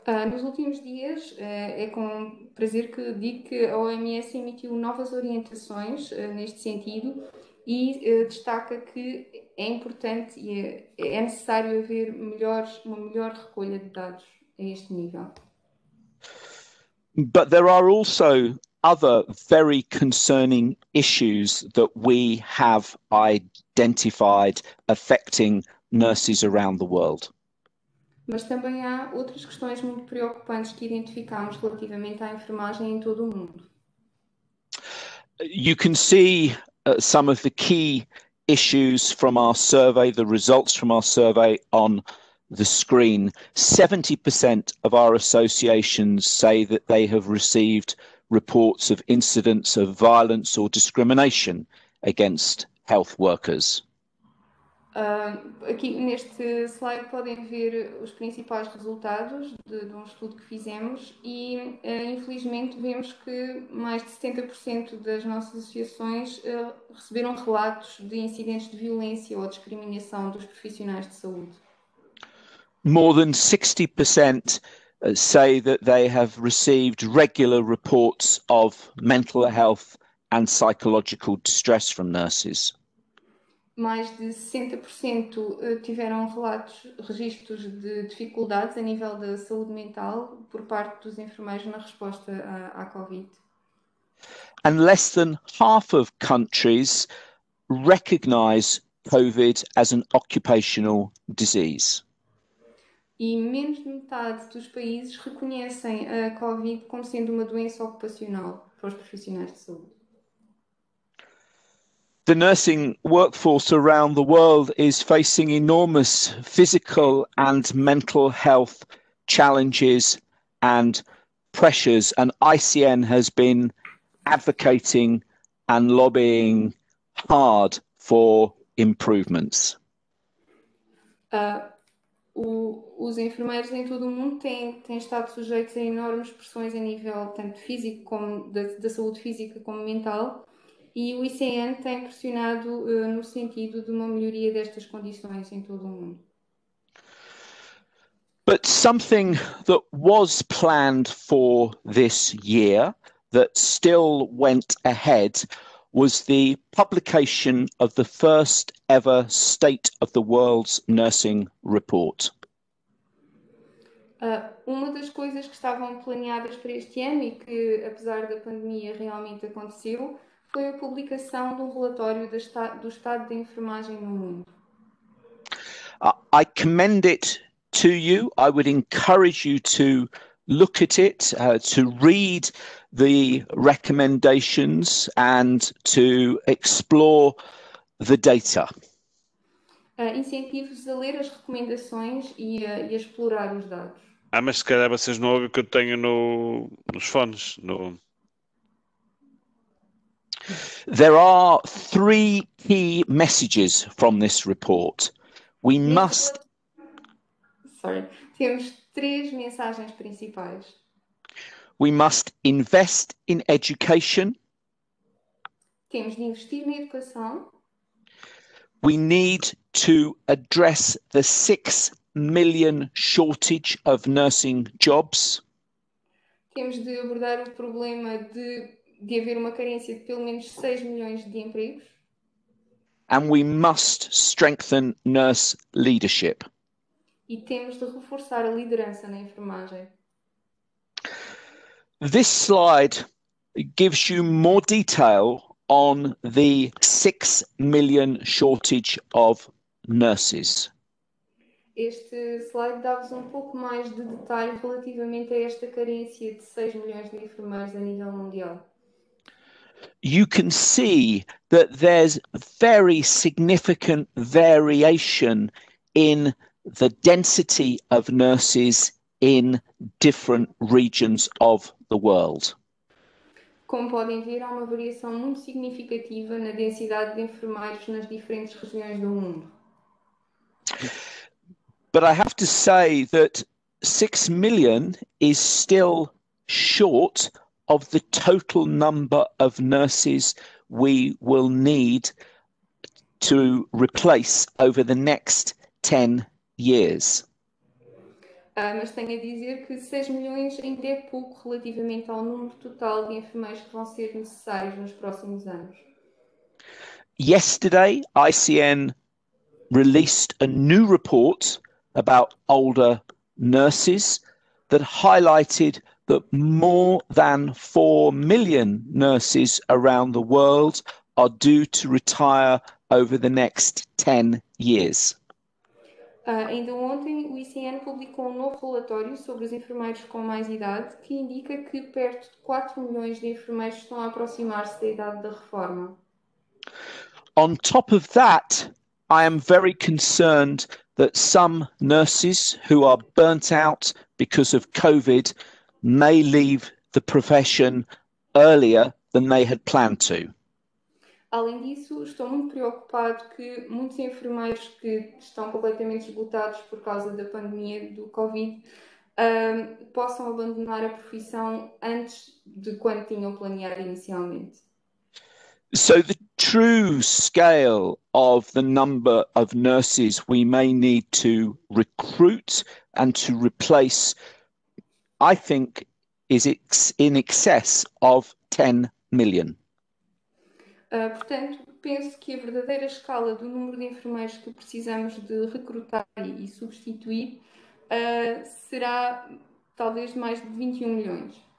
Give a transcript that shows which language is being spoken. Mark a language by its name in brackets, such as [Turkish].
[Portuguese] Nos últimos dias, é com prazer que digo que a OMS emitiu novas orientações neste sentido e destaca que é importante e é necessário haver uma melhor recolha de dados a este nível. [English] But there are also other very concerning issues that we have identified affecting nurses around the world. [Portuguese] Mas também há outras questões muito preocupantes que identificámos relativamente à enfermagem em todo o mundo. [English] You can see some of the key issues from our survey, the results from our survey on the screen. 70% of our associations say that they have received reports of incidents of violence or discrimination against health workers. [Portuguese] Aqui neste slide podem ver os principais resultados de um estudo que fizemos e, infelizmente, vemos que mais de 70% das nossas associações, receberam relatos de incidentes de violência ou discriminação dos profissionais de saúde. [English] More than 60% say that they have received regular reports of mental health and psychological distress from nurses. [Portuguese] Mais de 60% tiveram registros de dificuldades a nível da saúde mental por parte dos enfermeiros na resposta à Covid. [English] And less than half of countries recognize COVID as an occupational disease. [Portuguese] E menos de metade dos países reconhecem a Covid como sendo uma doença ocupacional para os profissionais de saúde. [English] the nursing workforce around the world is facing enormous physical and mental health challenges and pressures, and ICN has been advocating and lobbying hard for improvements. [Portuguese] Os enfermeiros em todo o mundo têm estado sujeitos a enormes pressões a nível tanto físico como da saúde física como mental, e o ICN tem pressionado no sentido de uma melhoria destas condições em todo o mundo. [English] But something that was planned for this year that still went ahead was the publication of the first ever State of the World's Nursing Report. [Portuguese] Uma das coisas que estavam planeadas para este ano e que, apesar da pandemia, realmente aconteceu foi a publicação de um relatório do estado de enfermagem no mundo. [English] I commend it to you. I would encourage you to look at it, to read the recommendations and to explore the data. [Portuguese] Incentivos a ler as recomendações e a explorar os dados. Ah, mas se calhar vocês não ouvem o que eu tenho no, nos fones. No... [English] There are three key messages from this report. We must... [Portuguese] Temos três mensagens principais. [English] We must invest in education. [Portuguese] Temos de investir na educação. [English] We need to address the 6 million shortage of nursing jobs. [Portuguese] Temos de abordar o problema de haver uma carência de pelo menos 6 milhões de empregos. [English] And we must strengthen nurse leadership. [Portuguese] E temos de reforçar a liderança na enfermagem. [English] This slide gives you more detail on the 6 million shortage of nurses. [Portuguese] Este slide dá-vos um pouco mais de detalhe relativamente a esta carência de 6 milhões de enfermeiros a nível mundial. [English] You can see that there's very significant variation in the density of nurses in different regions of the world. [Portuguese] Como podem ver, há uma variação muito significativa na densidade de enfermeiros nas diferentes regiões do mundo. [English] But I have to say that 6 million is still short of the total number of nurses we will need to replace over the next 10 years. [Portuguese] Mas tenho a dizer que 6 milhões ainda é pouco relativamente ao número total de enfermeiros que vão ser necessários nos próximos anos. [English] Yesterday, ICN released a new report about older nurses that highlighted that more than 4 million nurses around the world are due to retire over the next 10 years. [Portuguese] Ainda ontem, o ICN publicou um novo relatório sobre os enfermeiros com mais idade, que indica que perto de 4 milhões de enfermeiros estão a aproximar-se da idade da reforma. [English] On top of that, I am very concerned that some nurses who are burnt out because of COVID may leave the profession earlier than they had planned to. [Portuguese] Além disso, estou muito preocupado que muitos enfermeiros que estão completamente esgotados por causa da pandemia do COVID possam abandonar a profissão antes de quando tinham planeado inicialmente. [English] So the true scale of the number of nurses we may need to recruit and to replace, I think, is in excess of 10 million. [Portuguese] Portanto, penso que a verdadeira escala do número de enfermeiros que precisamos de recrutar e substituir será talvez mais de 21 milhões.